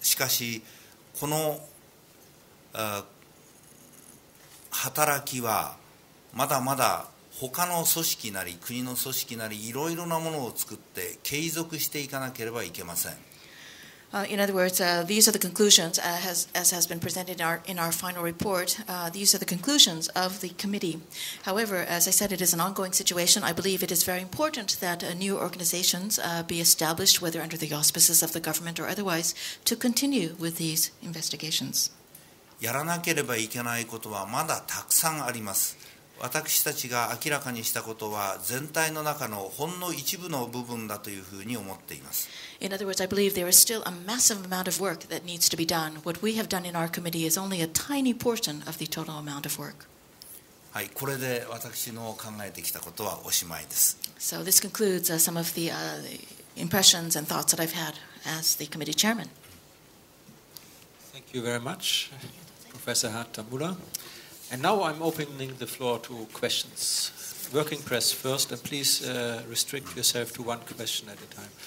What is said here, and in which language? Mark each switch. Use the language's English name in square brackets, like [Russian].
[Japanese] しかしこの働きはまだまだ他の組織なり国の組織なりいろいろなものを作って継続していかなければいけません。 [English] In other words, these are the conclusions as has been presented in our final report. These are the conclusions of the committee. However, as I said, it is an ongoing situation. I believe it is very important that new organizations be established, whether under the auspices of the government or otherwise, to continue with these investigations. [Japanese] やらなければいけないことはまだたくさんあります。私たちが明らかにしたことは全体の中のほんの一部の部分だというふうに思っています。 [English] In other words, I believe there is still a massive amount of work that needs to be done. What we have done in our committee is only a tiny portion of the total amount of work. [Japanese] はい、これで私の考えてきたことはおしまいです。 [English] So this concludes some of the impressions and thoughts that I've had as the committee chairman. Thank you very much, Professor Hatamura. And now I'm opening the floor to questions. Working press first, and please restrict yourself to one question at a time.